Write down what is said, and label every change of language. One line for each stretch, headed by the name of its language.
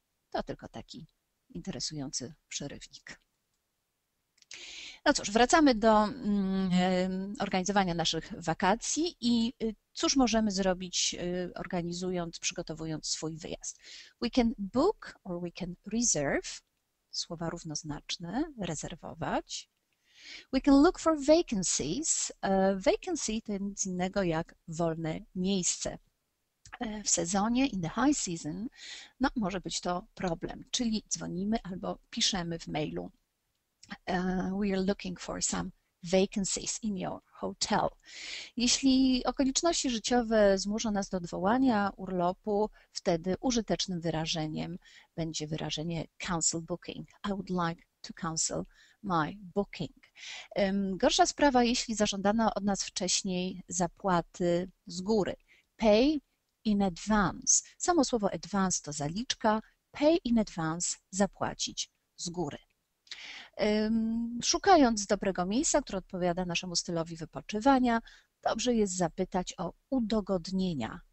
Polish: To tylko taki interesujący przerywnik. No cóż, wracamy do organizowania naszych wakacji i cóż możemy zrobić, organizując, przygotowując swój wyjazd.
English: We can book or we can reserve
Polish: słowa równoznaczne, rezerwować.
English: We can look for vacancies.
Polish: Vacancy to nic innego jak wolne miejsce. W sezonie,
English: in the high season,
Polish: no, może być to problem, czyli dzwonimy albo piszemy w mailu.
English: We are looking for some vacancies in your hotel.
Polish: Jeśli okoliczności życiowe zmuszą nas do odwołania urlopu, wtedy użytecznym wyrażeniem będzie wyrażenie cancel booking.
English: I would like to cancel my booking.
Polish: Gorsza sprawa, jeśli zażądano od nas wcześniej zapłaty z góry.
English: Pay in advance.
Polish: Samo słowo advance to zaliczka.
English: Pay in advance,
Polish: zapłacić z góry. Szukając dobrego miejsca, które odpowiada naszemu stylowi wypoczywania, dobrze jest zapytać o udogodnienia.